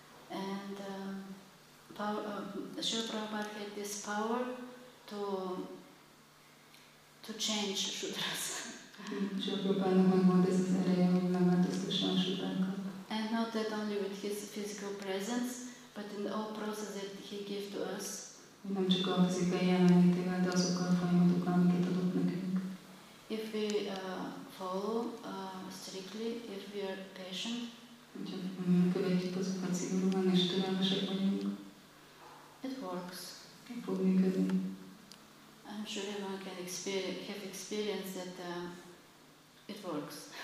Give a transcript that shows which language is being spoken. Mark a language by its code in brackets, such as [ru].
[en] And Srila Prabhupada had this power to change Shudras. And not that only with his physical presence, but in the whole process that he gave to us. [hu] Nem csak a fizikai jelenlétével, de azokkal a folyamatokkal, amiket adott nekünk. [en] If we follow strictly, if we are patient. [hu] Hogyha követjük azokat szigorúan és türelmesek vagyunk. [en] It works. [hu] Ki fog működni. [en] I'm sure everyone can have experience that it works.